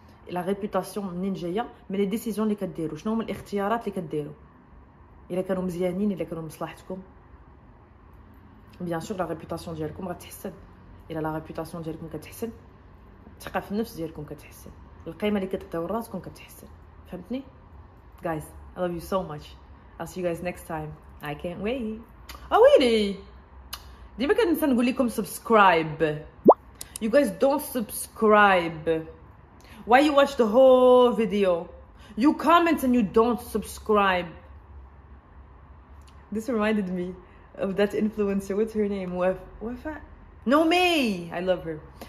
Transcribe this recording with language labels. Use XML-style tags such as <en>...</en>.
<ar>لا ريبيوتاسيون منين جايه؟ من</ar> <fr>لي ديسيجن</fr> <ar>اللي كديروا. شنو هما الاختيارات اللي كديروا الا كانوا مزيانين, الا كانوا مصلحتكم؟</ar> <fr>بيان سور</fr> <ar>لا ريبيوتاسيون ديالكم غتحسن. الا لا ريبيوتاسيون ديالكم كتحسن, الثقه في النفس ديالكم كتحسن, القيمه اللي كتعطيو لراسكم كتحسن. فهمتني guys?</ar> <en>I love you so much, I'll see you guys next time. I can't wait.</en> <ar>Oh ويلي ديما كننسى نقول لكم</ar> <en>Subscribe. You guys don't subscribe. Why you watch the whole video? You comment and you don't subscribe. This reminded me of that influencer. What's her name? Wafa? No, May. I love her.</en>